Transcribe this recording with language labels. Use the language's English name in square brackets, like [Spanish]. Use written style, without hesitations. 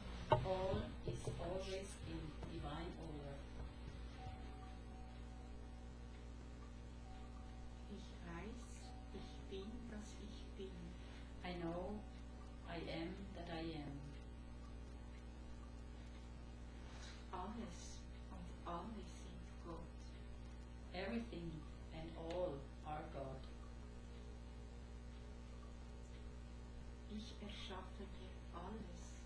[English] All is always in divine order. [German] Ich weiß, ich bin, dass ich bin. [English] I know, I am, that I am. [German] Alles und alle sind Gott. [English] Everything and all are God. [German] Ich erschaffe dir alles.